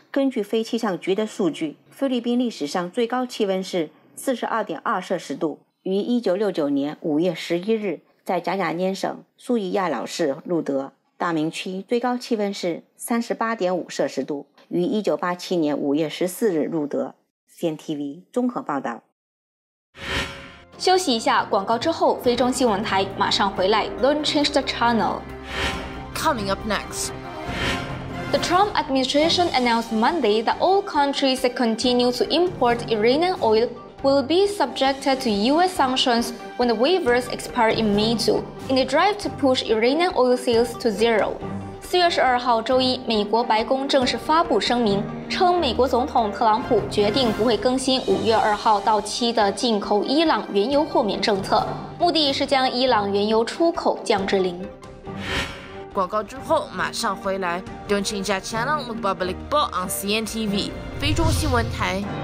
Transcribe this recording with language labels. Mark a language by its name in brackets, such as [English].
[Chinese] 根据非气象局的数据，菲律宾历史上最高气温是 42.2 摄氏度，于1969年5月11日在贾雅涅省素伊亚老市录得。大闵区最高气温是 38.5 摄氏度，于1987年5月14日录得。 CNTV 综合报道。休息一下，广告之后菲中新闻台马上回来。 [English] Don't change the channel. Coming up next, the Trump administration announced Monday that all countries that continue to import Iranian oil will be subjected to U.S. sanctions when the waivers expire in May 2, in a drive to push Iranian oil sales to zero. [Chinese] 4月12号周一，美国白宫正式发布声明，称美国总统特朗普决定不会更新5月2号到期的进口伊朗原油豁免政策，目的是将伊朗原油出口降至零。广告之后马上回来。 [English] Don't change that channel with Public Ball on CNTV 菲中新闻台。